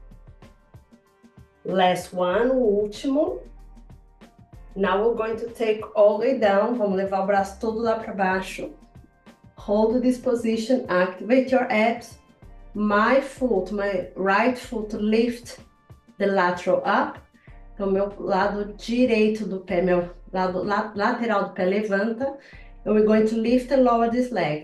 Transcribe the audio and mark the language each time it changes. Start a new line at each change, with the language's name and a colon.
English: 5, 4, 3, 2, last 1,
Portuguese: o último.
English: Now we're going to take all the way down.
Portuguese: Vamos levar o braço todo lá para baixo.
English: Hold this position, activate your abs. My foot, my right foot, lift the lateral up.
Portuguese: Então, meu lado direito do pé, meu lado lateral do pé levanta.
English: We're going to lift and lower this leg.